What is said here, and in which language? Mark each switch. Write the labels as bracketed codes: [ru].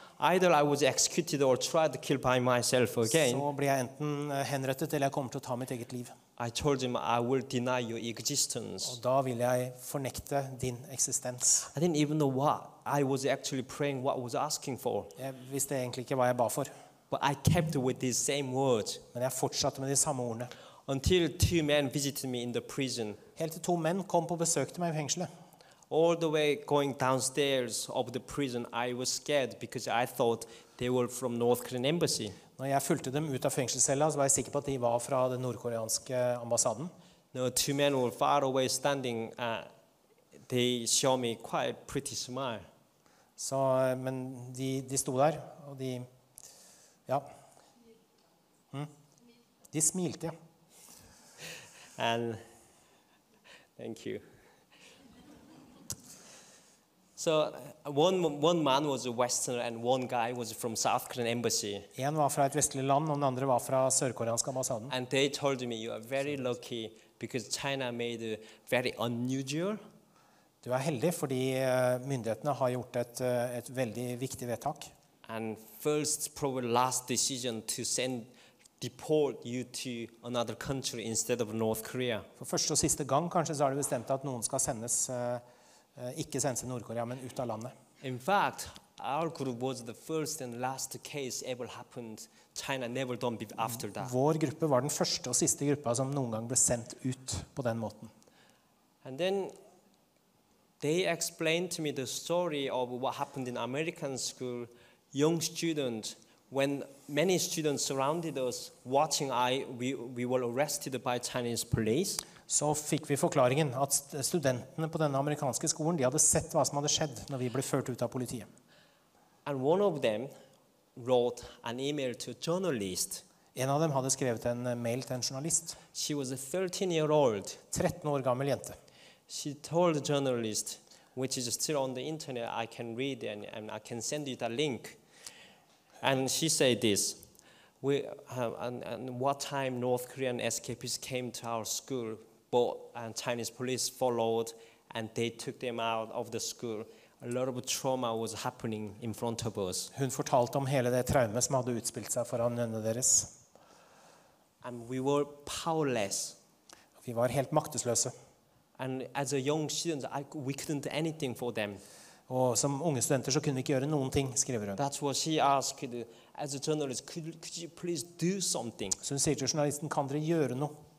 [en] Either I was executed or tried to kill by myself again. [no] Så blir jeg enten henrettet eller jeg kommer til å ta mitt eget liv. [en] I told him I will deny your existence. [no] Og da vil jeg fornekte din eksistens. [en] I didn't even know what I was actually praying, what I was asking for. [no] Jeg visste egentlig ikke hva jeg ba for. [en] But I kept with these same words. [no] Men jeg fortsatte med de samme ordene. [en] Until two men visited me in the prison. [no] Helt til to menn kom på besøk til meg I fengselet. [en] All the way going downstairs of the prison, I was scared because I thought they were from North Korean embassy. [sv] När jag följde dem ut av fängelsecellen så var jag säker på att de var från den nordkoreanska ambassaden. [en] No, two men were far away standing. They showed me quite a pretty smile. [no] Så men de stod där och de ja. De smilte. [en] And thank you. So one man was a Westerner and one guy was from South Korean embassy. [no] En var fra et vestlig land og den andre var fra sørkoreansk ambassaden. [en] And they told me you are very lucky because China made very unusual. [no] Du heldig fordi myndighetene har gjort et veldig viktig vedtak. [en] And first probably last decision to send deport you to another country instead of North Korea. [no] For første og siste gang kanskje så har de bestemt at noen skal sendes ikke sendes til Nord-Korea, men ut av landet. [en] In fact, our group was the first and last case ever happened. China never done before after that. [no] Vår gruppe var den første og siste gruppa som noen gang ble sendt ut på den måten. [en] And then they explained to me the story of what happened in American school. Young students, when many students surrounded us, watching we were arrested by Chinese police. [sv] Så fick vi förklaringen att studenterna på den amerikanska skolan de hade sett vad som hade skett när vi blev fört ut av polisen. [en] And one of them wrote an email to a journalist. [sv] En av dem hade skrivit en mail till en journalist. [en] She was a 13 year old. [no] 13 år gammal jente. [en] She told the journalist, which is still on the internet, I can read and I can send you the link. And she said this. And what time North Korean escapees came to our school, but and Chinese police followed and they took them out of the school. A lot of trauma was happening in front of us. [no] Hun fortalte om hele det traume som hadde utspilt seg foran øynene deres. [en] And we were powerless. [no] Vi var helt maktesløse. [en] And as a young student, we couldn't do anything for them. [no] Og som unge studenter så kunne vi ikke gjøre noen ting, skriver hun. [en] That's what she asked as a journalist, could you please do something? [no] Så hun sier til journalisten, kan dere gjøre noe?